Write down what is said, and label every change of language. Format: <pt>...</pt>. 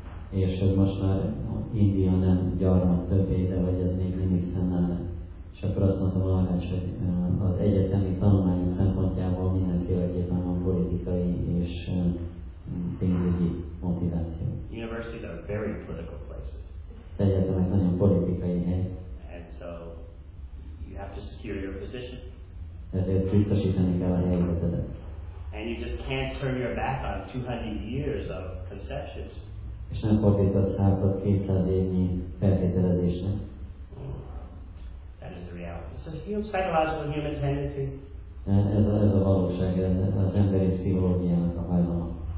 <hu>És hogy most már India nem gyarmat többé, de vagy ez még mindig fennáll. És akkor azt mondtam arra, hogy az egyetemi tanulmány szempontjából mindenféleképpen van politikai és pénzügyi motiváció.</hu> <en>Universities are very political places.</en> <hu>Az egyetemek nagyon politikai hely.</hu> <en>And so you have to secure your position.</en> <hu>Ezért biztosítani kell a helyzetedet.</hu> <en>And you just can't turn your back on 200 years of conceptions.</en> <hu>És nem fordított hátat 200 évnyi feltételezésre.</hu> <en>That is the reality. So human psychological human tendency.</en> <hu>Ez a valóság, ez az emberi pszichológiának a hajlama.</hu>